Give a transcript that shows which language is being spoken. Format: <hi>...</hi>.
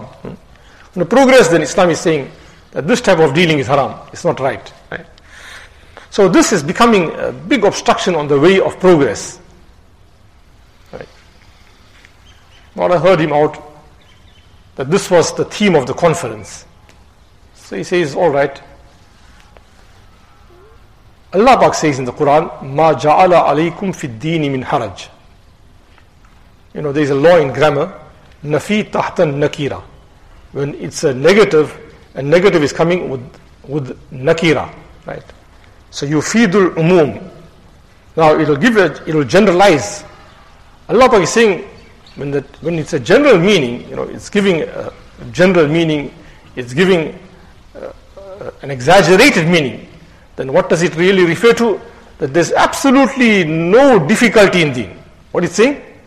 <en>When you progress, then Islam is saying that this type of dealing is haram. It's not right. So this is becoming a big obstruction on the way of progress. Now I heard him out that this was the theme of the conference. So he says, all right. Allah Pak says in the Quran,</en> <ar>مَا جَعَلَ عَلَيْكُمْ فِي الدِّينِ مِنْ حَرَجٍ.</ar> <en>You know, there is a law in grammar,</en> <ar>نَفِي تَحْتَ النَّكِيرَ.</ar> <en>When it's a negative, a negative is coming with nakira, right? So</en> <ar>يُفِيدُ الْعُمُومِ.</ar> <en>Now it'll generalize. Allah Pak is saying, when it's a general meaning, you know, it's giving a general meaning, it's giving an exaggerated meaning, then what does it really refer to? That there's absolutely no difficulty in deen. What it's saying?</en>